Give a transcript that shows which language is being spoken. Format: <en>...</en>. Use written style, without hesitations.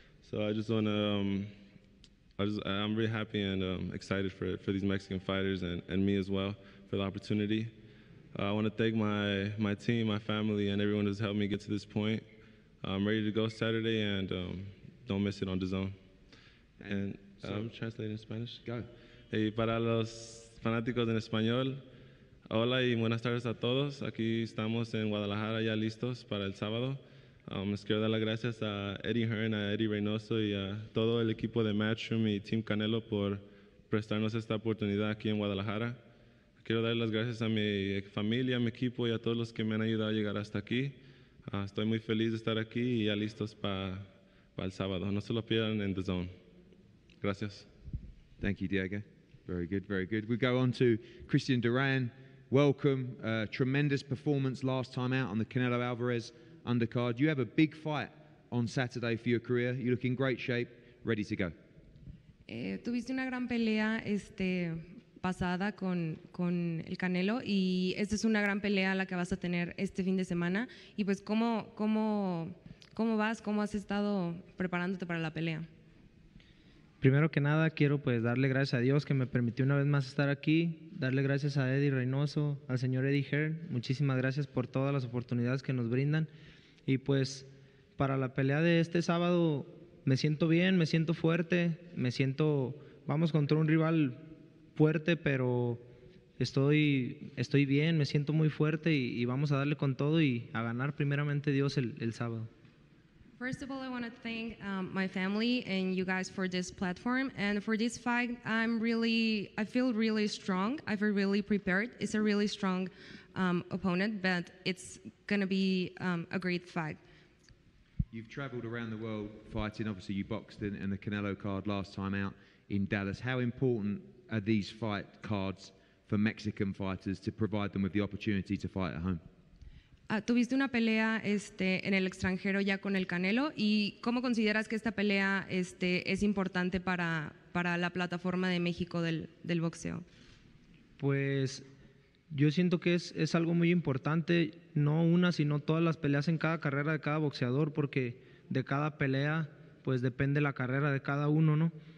<en>So I just want to I'm really happy and excited for these Mexican fighters and me as well for the opportunity. I want to thank my team, my family, and everyone who's helped me get to this point. I'm ready to go Saturday and don't miss it on DAZN. And so, I'm translating in Spanish. Go.</en> <es>Hey, para los fanáticos en español, hola y buenas tardes a todos. Aquí estamos en Guadalajara ya listos para el sábado. Les quiero dar las gracias a Eddie Hearn, a Eddie Reynoso y a todo el equipo de Matchroom y Team Canelo por prestarnos esta oportunidad aquí en Guadalajara. Quiero dar las gracias a mi familia, a mi equipo y a todos los que me han ayudado a llegar hasta aquí. Estoy muy feliz de estar aquí y ya listos para el sábado. No se lo pierdan en DAZN. Gracias.</es> <en>Thank you, Diego. Very good, very good. We go on to Christian Duran. Welcome. Tremendous performance last time out on the Canelo Alvarez undercard. You have a big fight on Saturday for your career. You look in great shape, ready to go.</en> <es>Tuviste una gran pelea pasada con el Canelo y esta es una gran pelea la que vas a tener este fin de semana. Y pues, ¿Cómo vas? ¿Cómo has estado preparándote para la pelea? Primero que nada, quiero pues darle gracias a Dios que me permitió una vez más estar aquí. Darle gracias a Eddie Reynoso, al señor Eddie Hearn. Muchísimas gracias por todas las oportunidades que nos brindan. Y pues para la pelea de este sábado me siento bien, me siento fuerte. Me siento, vamos contra un rival fuerte, pero estoy bien, me siento muy fuerte y vamos a darle con todo y a ganar primeramente Dios el sábado.</es> <en>First of all, I want to thank my family and you guys for this platform. And for this fight, I feel really strong. I feel really prepared. It's a really strong opponent, but it's going to be a great fight. You've traveled around the world fighting. Obviously, you boxed in the Canelo card last time out in Dallas. How important are these fight cards for Mexican fighters to provide them with the opportunity to fight at home?</en> <es>Tuviste una pelea en el extranjero ya con el Canelo, y ¿cómo consideras que esta pelea es importante para la plataforma de México del boxeo? Pues yo siento que es algo muy importante, no una, sino todas las peleas en cada carrera de cada boxeador, porque de cada pelea pues depende la carrera de cada uno, ¿no?</es>